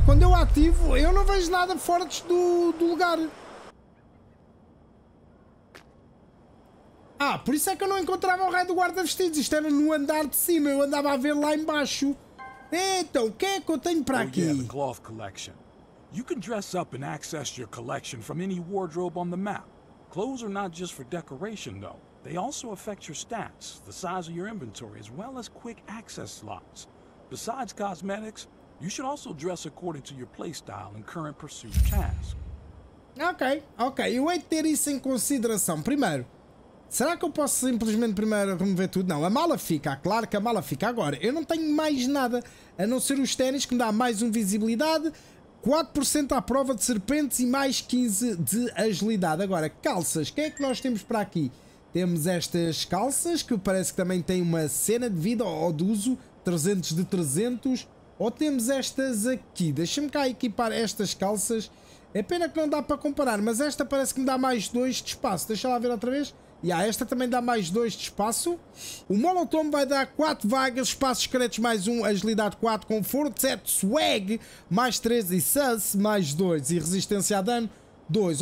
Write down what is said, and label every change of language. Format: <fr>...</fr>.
<pt>Quando eu ativo, eu não vejo nada fora do lugar. Ah, por isso é que eu não encontrava o rei do guarda-vestidos. Isto era no andar de cima, eu andava a ver lá embaixo. Então, o que é que eu tenho para aqui?</pt> <en>Oh, yeah, the cloth collection. You can dress up and access your collection from any wardrobe on the map. Clothes are not just for decoration, though. They also affect your stats, the size of your inventory, as well as quick access slots. Besides cosmetics, you should also dress according to your playstyle and current pursuit task.</en> <pt>Ok, eu hei de ter isso em consideração. Primeiro, será que eu posso simplesmente primeiro remover tudo? Não, a mala fica, claro que a mala fica. Agora, eu não tenho mais nada, a não ser os ténis, que me dá mais um visibilidade, 4% à prova de serpentes e mais 15% de agilidade. Agora, calças, o que é que nós temos para aqui? Temos estas calças, que parece que também têm uma cena de vida ou de uso, 300 de 300. Ou temos estas aqui, deixa-me cá equipar estas calças. É pena que não dá para comparar, mas esta parece que me dá mais 2 de espaço. Deixa lá ver outra vez. E yeah, esta também dá mais 2 de espaço. O Molotov vai dar 4 vagas, espaços secretos mais 1, agilidade 4, conforto 7, swag mais 3 e sus mais 2 e resistência a dano 2.</pt>